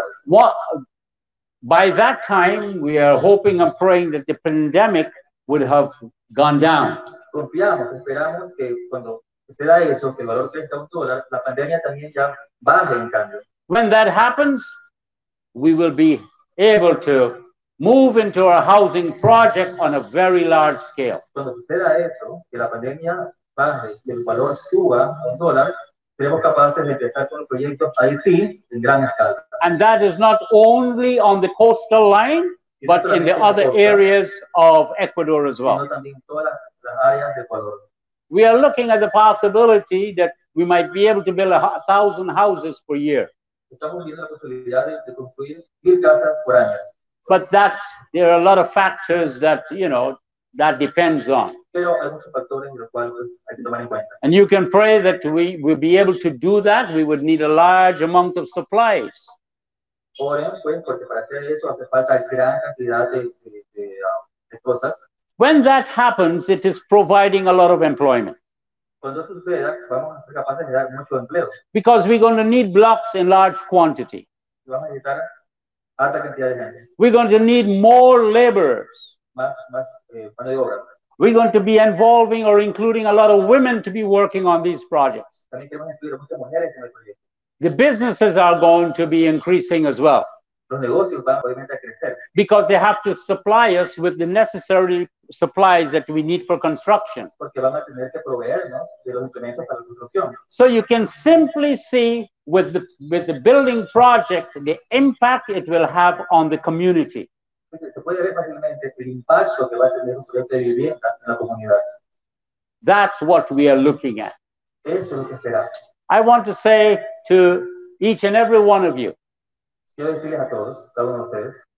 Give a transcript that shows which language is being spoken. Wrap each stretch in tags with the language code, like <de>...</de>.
<en>By that time, we are hoping and praying that the pandemic would have gone down.</en> <es>Confiamos, esperamos que cuando suceda eso, que el valor crezca un dólar, la pandemia también ya baje en cambio.</es> <en>When that happens, we will be able to move into our housing project on a very large scale.</en> <es>Cuando suceda eso, que la pandemia baje y el valor suba un dólar, seremos capaces de empezar con el proyecto ahí sí, en gran escala.</es> <en>And that is not only on the coastal line, but in the other areas of Ecuador as well.</en> <es>Sino también todas las áreas de Ecuador.</es> <en>We are looking at the possibility that we might be able to build 1,000 houses per year.</en> <es>Estamos viendo la posibilidad de construir 1,000 casas por año.</es> <en>But that, there are a lot of factors that, you know, that depends on.</en> <es>Pero hay muchos factores en los cuales hay que tomar en cuenta.</es> <en>And you can pray that we will be able to do that. We would need a large amount of supplies.</en> <es>Oren, pues, porque para hacer eso hace falta gran cantidad de cosas.</es> <en>When that happens, it is providing a lot of employment.</en> <es>cuando eso suceda, vamos a ser capaces de dar mucho empleo.</es> <en>Because we're going to need blocks in large quantity.</en> <es>Vamos a necesitar alta cantidad de gente.</es> <en>We're going to need more laborers.</en> <es>Más de obra.</es> <en>We're going to be involving or including a lot of women to be working on these projects.</en> <es>También queremos incluir a muchas mujeres en el proyecto.</es> <en>The businesses are going to be increasing as well.</en> <es>Los negocios van obviamente a crecer.</es> <en>Because they have to supply us with the necessary supplies that we need for construction.</en> <es>Porque van a tener que proveernos de los implementos para la construcción.</es> <en>So you can simply see with the building project the impact it will have on the community.</en> <es>Se puede ver fácilmente el impacto que va a tener un proyecto de vivienda en la comunidad.</es> <en>That's what we are looking at.</en> <es>Eso es lo que esperamos.</es> <en>I want to say to each and every one of you,</en> <es>quiero decirles a todos, a uno de ustedes,</es>